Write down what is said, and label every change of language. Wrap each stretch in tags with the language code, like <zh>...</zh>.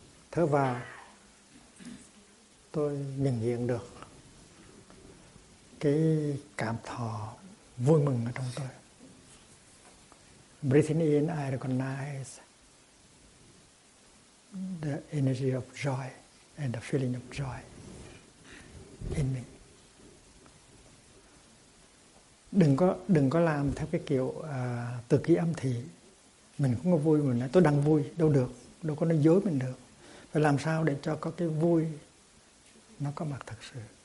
<vi>Thở vào, tôi nhận diện được cái cảm thọ vui mừng ở trong tôi.</vi> <en>Breathing in, I recognize the energy of joy and the feeling of joy in me.</en> <vi>Đừng có làm theo cái kiểu tự kỷ âm thị. Mình không có vui, mình nói tôi đang vui, đâu được, đâu có nói dối mình được. Phải làm sao để cho có cái vui nó có mặt thật sự.</vi>